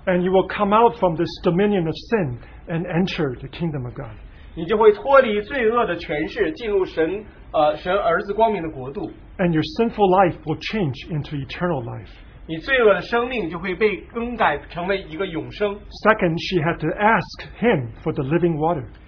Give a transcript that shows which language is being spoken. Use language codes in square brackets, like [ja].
[en] And you will come out from this dominion of sin and enter the kingdom of God. [zh] 你就会脱离罪恶的权势，进入神儿子光明的国度。 [en] And your sinful life will change into eternal life. [zh] 你罪恶的生命就会被更改成为一个永生。 [en] Second, she had to ask him for the living water.